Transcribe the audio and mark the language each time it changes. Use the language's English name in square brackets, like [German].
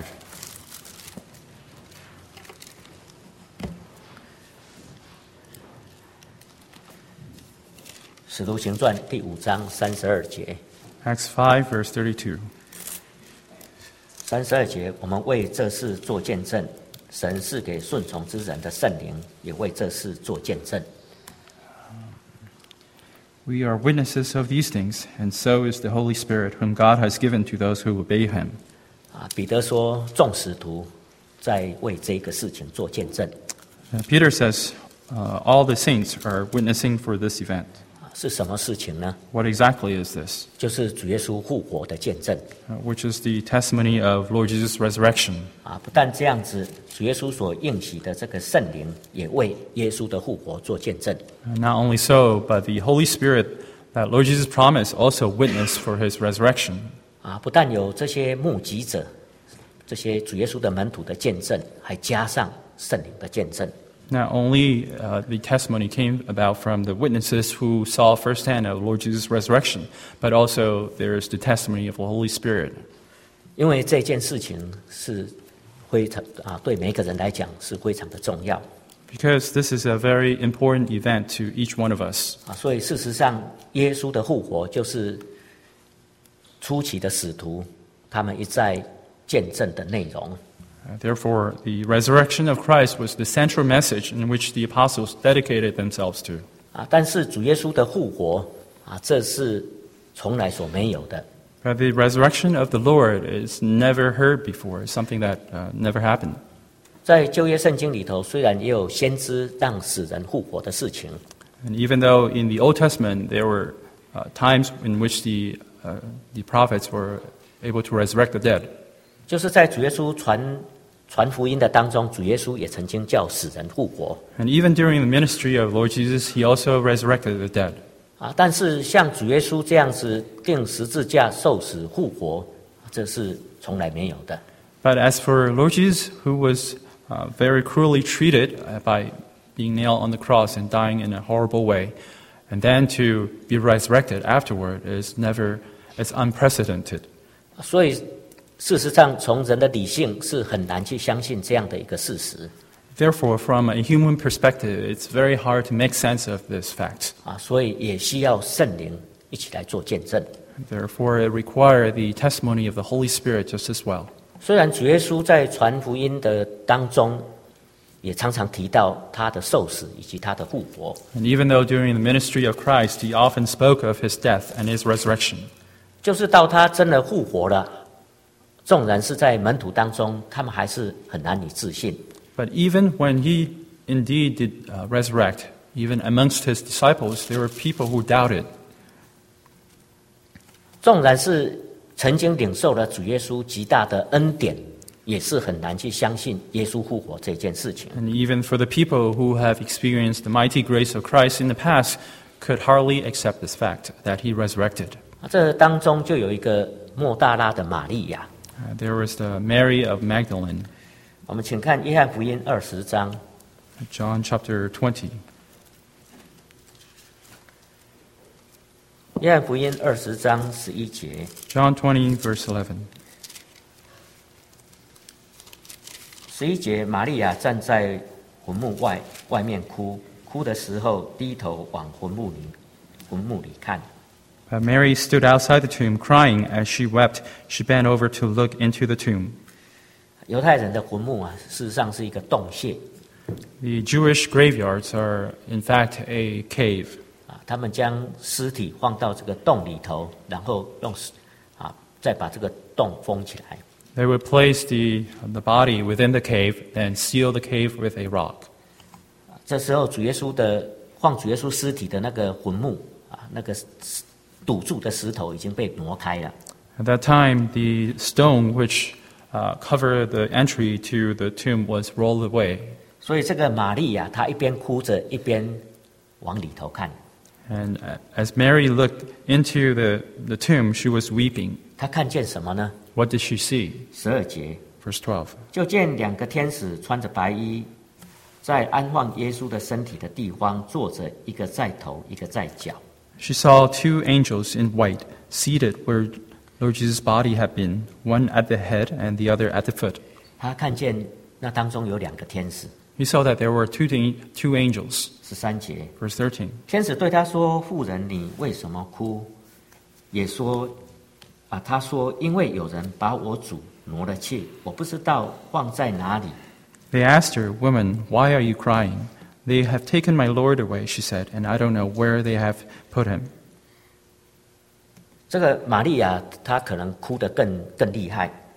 [Chinese] 《使徒行传》第五章三十二节。 [English] Acts 5, verse 32. [Chinese] 三十二节，我们为这事做见证，神是给顺从之人的圣灵，也为这事做见证。 [English] We are witnesses of these things, and so is the Holy Spirit, whom God has given to those who obey Him. [Chinese] 彼得说，众使徒在为这个事情做见证。 [English] Peter says, all the saints are witnessing for this event. [Chinese] 是什么事情呢？ [English] What exactly is this? [Chinese] 就是主耶稣复活的见证。 [English] Which is the testimony of Lord Jesus' resurrection. [Chinese] 不但这样子，主耶稣所应许的这个圣灵也为耶稣的复活做见证。 [English] Not only so, but the Holy Spirit that Lord Jesus promised also witnessed for his resurrection. [Chinese] 不但有这些目击者，这些主耶稣的门徒的见证，还加上圣灵的见证。 [English] Not only the testimony came about from the witnesses who saw firsthand of Lord Jesus' resurrection, but also there is the testimony of the Holy Spirit. [Chinese] 因为这件事情是非常对每个人来讲是非常的重要。 [English] Because this is a very important event to each one of us. [Chinese] 所以事实上，耶稣的复活就是初期的使徒他们一再见证的内容。 [English] Therefore, the resurrection of Christ was the central message in which the apostles dedicated themselves to. [Chinese] 但是主耶稣的复活这是从来所没有的。 [English] But the resurrection of the Lord is never heard before. It's something that never happened. [Chinese] 在旧约圣经里头，虽然也有先知让死人复活的事情。 [English] And even though in the Old Testament there were times in which the prophets were able to resurrect the dead. [Chinese] 就是在主耶稣传福音的当中，主耶稣也曾经叫死人复活。 [English] And even during the ministry of Lord Jesus, he also resurrected the dead. [Chinese] 但是像主耶稣这样子钉十字架受死复活，这是从来没有的。 [English] But as for Lord Jesus, who was very cruelly treated by being nailed on the cross and dying in a horrible way, and then to be resurrected afterward is unprecedented. [Chinese] 所以事实上，从人的理性是很难去相信这样的一个事实。 [English] Therefore, from a human perspective, it's very hard to make sense of this fact. [Chinese] 所以也需要圣灵一起来做见证。 [English] Therefore, it requires the testimony of the Holy Spirit just as well. [Chinese] 虽然主耶稣在传福音的当中，也常常提到他的受死以及他的复活。 [English] And even though during the ministry of Christ, he often spoke of his death and his resurrection. [Chinese] 就是到他真的复活了。纵然是在门徒当中，他们还是很难以置信。 [English] But even when he indeed did resurrect, even amongst his disciples, there were people who doubted. [Chinese] 纵然是曾经领受了主耶稣极大的恩典，也是很难去相信耶稣复活这件事情。 [English] And even for the people who have experienced the mighty grace of Christ in the past, could hardly accept this fact that he resurrected. [Chinese] 这当中就有一个莫大拉的玛利亚。 [English] There was the Mary of Magdalene. [Chinese] 我们请看约翰福音二十章。 [English] John chapter 20. [Chinese] 约翰福音二十章十一节。 [English] John 20 verse 11. [Chinese] 十一节，玛利亚站在坟墓外面哭，哭的时候低头往坟墓里看。 [English] But Mary stood outside the tomb, crying as she wept. She bent over to look into the tomb. [Chinese] 犹太人的坟墓啊，事实上是一个洞穴。 [English] The Jewish graveyards are, in fact, a cave. [Chinese] 他们将尸体放到这个洞里头，然后用再把这个洞封起来。 [English] They would place the body within the cave, then seal the cave with a rock. [Chinese] 这时候，放主耶稣尸体的那个坟墓那个。堵住的石头已经被挪开了。 [English] At that time, the stone which covered the entry to the tomb was rolled away. [Chinese] 所以这个玛利亚她一边哭着一边往里头看。 [English] And as Mary looked into the tomb, she was weeping. [Chinese] 她看见什么呢？ [English] What did she see? [Chinese] 十二节。 [English] Verse 12. [Chinese] 就见两个天使穿着白衣，在安放耶稣的身体的地方坐着，一个在头，一个在脚。 [English] She saw two angels in white seated where Lord Jesus' body had been, one at the head and the other at the foot. [Chinese] 她看见那当中有两个天使。 [English] He saw that there were two angels. [Chinese] 13节。 [English] Verse 13. [Chinese] 天使对她说，妇人，你为什么哭？也说，她说，因为有人把我主挪了去，我不知道放在哪里。 [English] They asked her, woman, why are you crying? They have taken my Lord away, she said, and I don't know where they have put him. [Chinese] 这个玛利亚她可能哭得 更厉害。